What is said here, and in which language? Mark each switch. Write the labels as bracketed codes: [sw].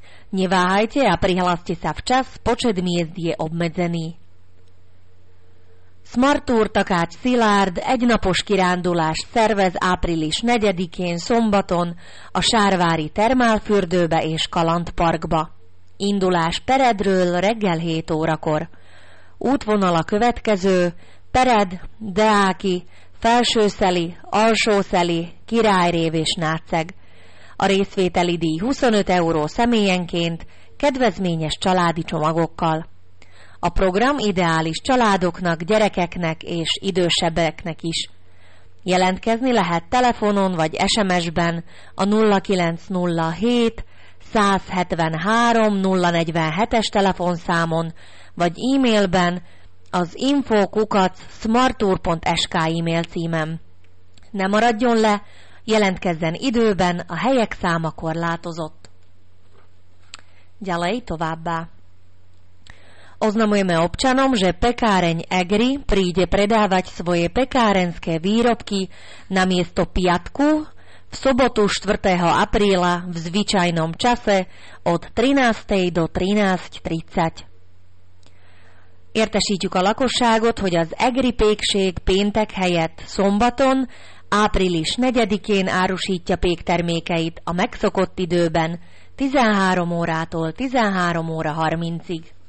[sk] Neváhajte a prihláste sa včas, počet miest je obmedzený. [hu] Smart Tour Takács Szilárd egynapos kirándulás szervez április 4-én szombaton a Sárvári Termálfürdőbe és Kalandparkba. Indulás Peredről reggel 7 órakor. Útvonala következő: Pered, Deáki, Felsőszeli, Alsószeli, Királyrév és Náceg. A részvételi díj 25 euró személyenként, kedvezményes családi csomagokkal. A program ideális családoknak, gyerekeknek és idősebbeknek is. Jelentkezni lehet telefonon vagy SMS-ben a 0907 173 047-es telefonszámon vagy e-mailben az info@smarttour.sk e-mail címen. Ne maradjon le! Jelentkezzen időben, a helyek száma korlátozott. [sk] Ďalej [hu] továbbá. [sk] Oznamujeme občanom, že pekáreň Egri príde predávať svoje pekárenské výrobky na miesto piatku v sobotu 4. apríla v zvyčajnom čase od 13. do 13.30. [hu] Értesítjük a lakosságot, hogy az Egri pékség péntek helyett szombaton április 4-én árusítja péktermékeit a megszokott időben, 13 órától 13 óra 30-ig.